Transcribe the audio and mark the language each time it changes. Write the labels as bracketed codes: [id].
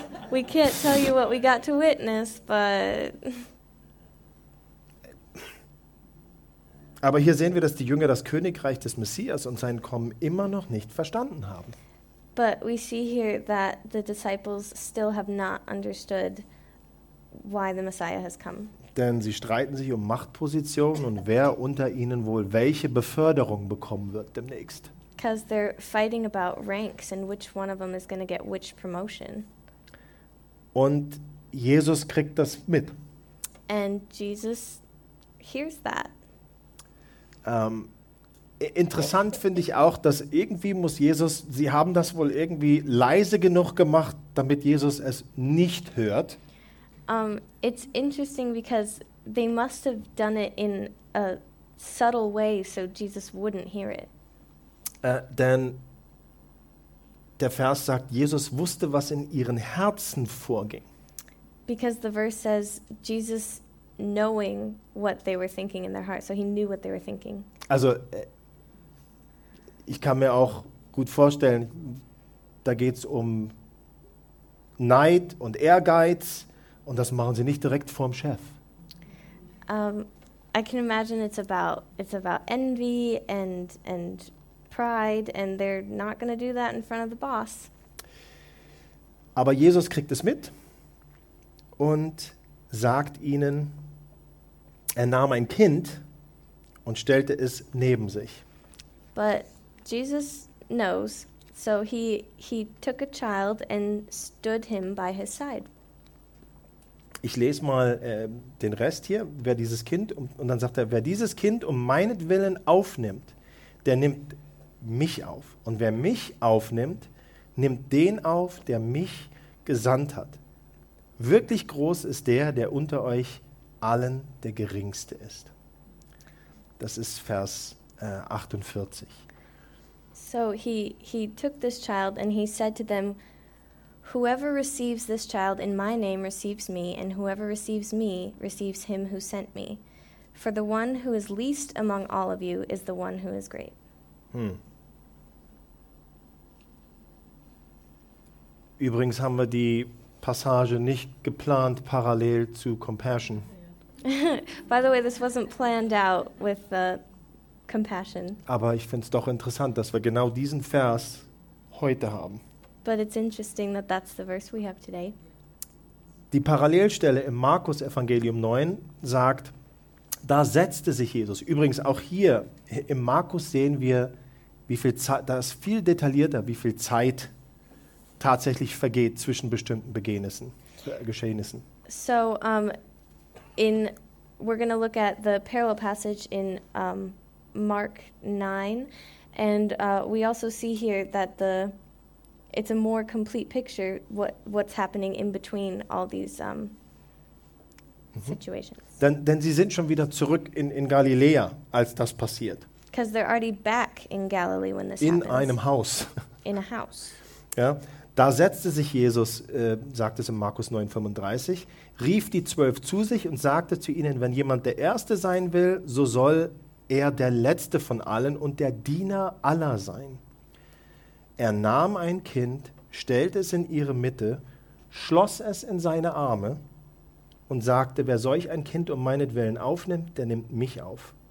[en] we can't tell you what we got to witness, but [de] aber hier sehen wir, dass die Jünger das Königreich des Messias und sein Kommen immer noch nicht verstanden haben. [en] But we see here that the disciples still have not understood why the Messiah has come. [de] Denn sie streiten sich um Machtpositionen und wer unter ihnen wohl welche Beförderung bekommen wird demnächst. [en] Because they're fighting about ranks and which one of them is going to get which promotion. [de] Und Jesus kriegt das mit. [en] And Jesus hears that. [de] Interessant finde ich auch, dass irgendwie muss Jesus, sie haben das wohl irgendwie leise genug gemacht, damit Jesus es nicht hört. [en] It's interesting because they must have done it in a subtle way so Jesus wouldn't hear it. [de] Denn der Vers sagt, Jesus wusste, was in ihren Herzen vorging. [en] Because the verse says, Jesus knowing what they were thinking in their heart, so he knew what they were thinking. [de] Also, ich kann mir auch gut vorstellen, da geht es um Neid und Ehrgeiz. Und das machen sie nicht direkt vorm Chef. [en] I can imagine it's about envy and pride, and they're not going to do that in front of the boss. [de] Aber Jesus kriegt es mit und sagt ihnen, er nahm ein Kind und stellte es neben sich. [en] But Jesus knows, so he took a child and stood him by his side. [de] Ich lese mal den Rest hier, wer dieses Kind, und dann sagt er, wer dieses Kind um meinetwillen aufnimmt, der nimmt mich auf. Und wer mich aufnimmt, nimmt den auf, der mich gesandt hat. Wirklich groß ist der, der unter euch allen der Geringste ist. Das ist Vers 48. [en] So he took this child and he said to them, whoever receives this child in my name receives me, and whoever receives me receives him who sent me. For the one who is least among all of you is the one who is great. [de] Übrigens haben wir die Passage nicht geplant parallel zu Compassion. [en] By the way, this wasn't planned out with the Compassion. [de] Aber ich find's doch interessant, dass wir genau diesen Vers heute haben. [en] But it's interesting that that's the verse we have today. [de] Die Parallelstelle im Markus Evangelium 9 sagt, da setzte sich Jesus. Übrigens auch hier im Markus sehen wir, wie viel Zeit, da ist viel detaillierter, wie viel Zeit tatsächlich vergeht zwischen bestimmten Geschehnissen. [en] So we're going to look at the parallel passage in Mark 9, and we also see here that it's a more complete picture what's happening in between all these situations. [de] Denn sie sind schon wieder zurück in Galiläa, als das passiert. [en] Because they're already back in Galilee when this happens. [de] In einem Haus. [en] In a house. [de] Ja, da setzte sich Jesus, sagt es in Markus 9,35, rief die 12 zu sich und sagte zu ihnen, wenn jemand der Erste sein will, so soll er der Letzte von allen und der Diener aller sein. Er nahm ein Kind, stellte es in ihre Mitte, schloss es in seine Arme und sagte, wer solch ein Kind um meinetwillen aufnimmt, der nimmt mich auf.